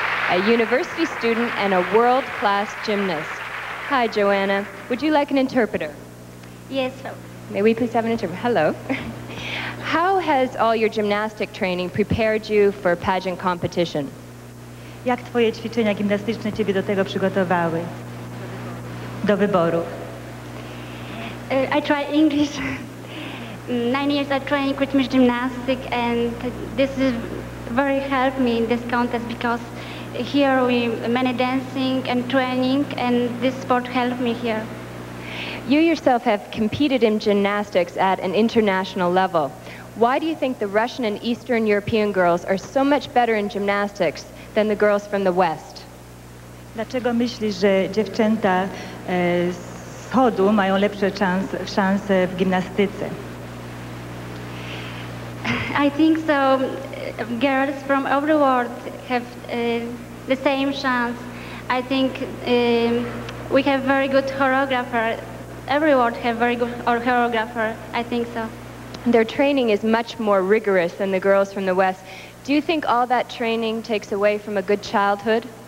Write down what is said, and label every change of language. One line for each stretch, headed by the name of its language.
English: A university student and a world-class gymnast. Hi, Joanna. Would you like an interpreter? Yes, ma'am. May we please have an interpreter? Hello. How has all your gymnastic training prepared you for pageant competition?
Polish: Jak twoje ćwiczenia gimnastyczne ciebie do tego przygotowały? Do wyboru.
English: I try English. 9 years I train Christmas gymnastic, and this is very helped me in this contest because here we many dancing and training, and this sport helped me here. You yourself have competed in gymnastics at an international level. Why do you think the Russian and Eastern European girls are so much better in gymnastics than the girls from the West?
Polish: Dlaczego myślisz, że dziewczęta z wschodu mają lepsze szanse w gimnastyce?
English: I think so. Girls from over the world have the same chance. I think we have very good choreographer. Every world have very good choreographer. I think so. Their training is much more rigorous than the girls from the West. Do you think all that training takes away from a good childhood?